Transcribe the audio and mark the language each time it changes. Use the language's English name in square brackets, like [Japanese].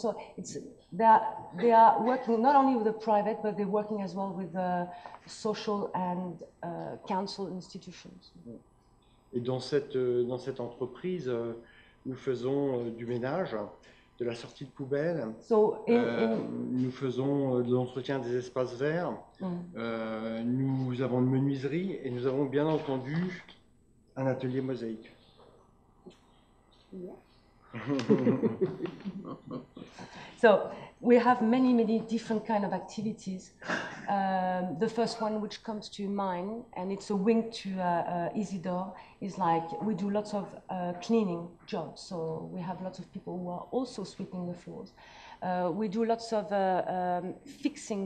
[English] So it's they are working not only with the private, but they're working as well with the social and council institutions. [French] Et dans cette entreprise, nous faisons du ménage, de la sortie de poubelle. [English] So [French] nous faisons de l'entretien des espaces verts. Nous avons une menuiserie et nous avons bien entendu un atelier mosaïque. [English] So we have many, many different kind of activities. The first one which comes to mind, and it's a wink to Isidore, is like we do lots of cleaning jobs. So we have lots of people who are also sweeping the floors. We do lots of fixing.